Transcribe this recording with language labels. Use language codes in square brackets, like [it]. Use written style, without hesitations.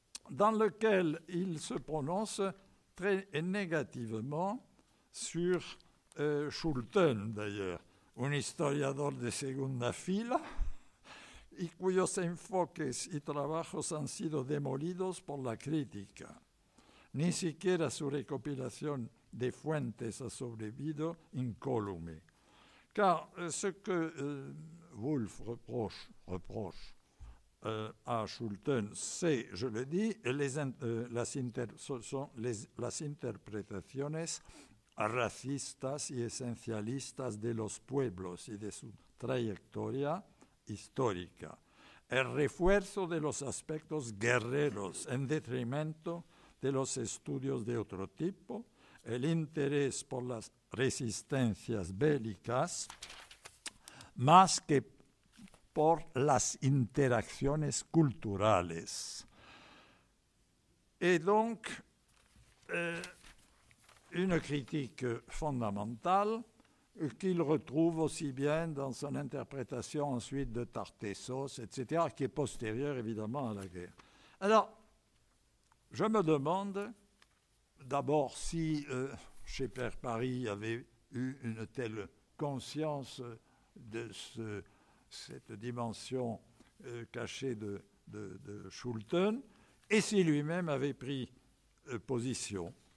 [fr] dans lequel il se prononce très négativement sur Schulten, d'ailleurs, [es] « un historiador de segunda fila », y cuyos enfoques y trabajos han sido demolidos por la crítica. Ni siquiera su recopilación de fuentes ha sobrevivido incólume. [fr] Car ce que Wolf reproche à Schulten, c'est, je le dis, [es] las interpretaciones racistas y esencialistas de los pueblos y de su trayectoria histórica. El refuerzo de los aspectos guerreros en detrimento de los estudios de otro tipo, el interés por las resistencias bélicas, más que por las interacciones culturales. [fr] Et donc, une critique fondamentale, qu'il retrouve aussi bien dans son interprétation ensuite de Tartessos, etc., qui est postérieure évidemment à la guerre. Alors, je me demande d'abord si Schepper Paris avait eu une telle conscience de cette dimension cachée de Schulten, et si lui-même avait pris position.